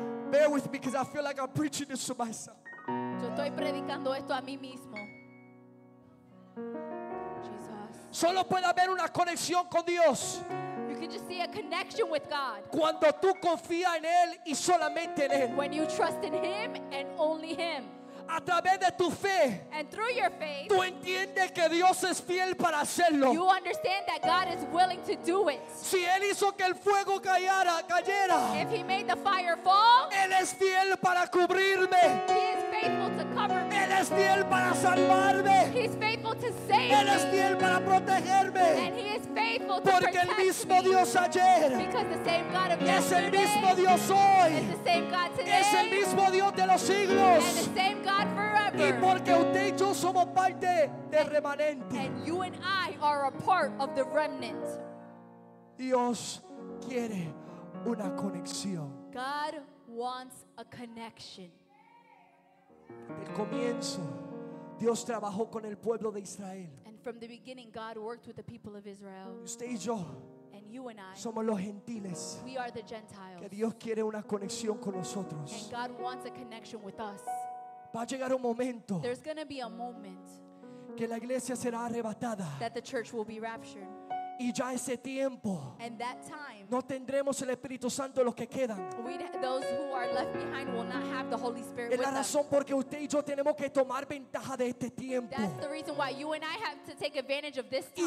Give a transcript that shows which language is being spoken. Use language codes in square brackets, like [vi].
[en] Bear with me because I feel like I'm preaching this to myself. [es] Yo estoy predicando esto a mí mismo. [en] Jesus. [es] Solo puede haber una conexión con Dios. [en] You can just see a connection with God. [es] Cuando tú confías en Él y solamente en Él. [en] When you trust in Him and only Him. [es] A través de tu fe. [en] And through your faith. [es] Tú entiendes que Dios es fiel para hacerlo. [en] You understand that God is willing to do it. [es] Si Él hizo que el fuego cayera. [en] If He made the fire fall. [es] Él es fiel para cubrirme. [en] He is faithful to cover me. [es] Él es fiel para salvarme. [en] He is faithful to save me. [es] Él es fiel para protegerme. [en] And He is faithful to [es] porque [en] protect [es] el mismo [en] me. [es] Dios ayer. [en] Because the same God of [es] es el mismo Dios hoy. [en] Is the same God today. [es] Es el mismo Dios de los siglos. [en] And the same God forever. [es] Y porque usted y yo somos parte del remanente. [en] And you and I are a part of the remnant. [es] Dios quiere una conexión. [en] God wants a connection. [es] Desde el comienzo, Dios trabajó con el pueblo de Israel. [en] And from the beginning, God worked with the people of Israel. [es] Usted y yo. [en] And you and I, [es] somos los gentiles. [en] We are the Gentiles. [es] Que Dios quiere una conexión con nosotros. [en] And God wants a connection with us. [es] Va a llegar un momento. [en] There's going to be a moment [es] que la iglesia será arrebatada. [en] That the church will be raptured. [es] Y ya ese tiempo. [en] And that time. [es] No tendremos el Espíritu Santo los que quedan. [en] Those who are left behind will not have the Holy Spirit with [es] us. Es la razón porque usted y yo tenemos que tomar ventaja de este tiempo. [en] That's the reason why you and I have to take advantage of this time.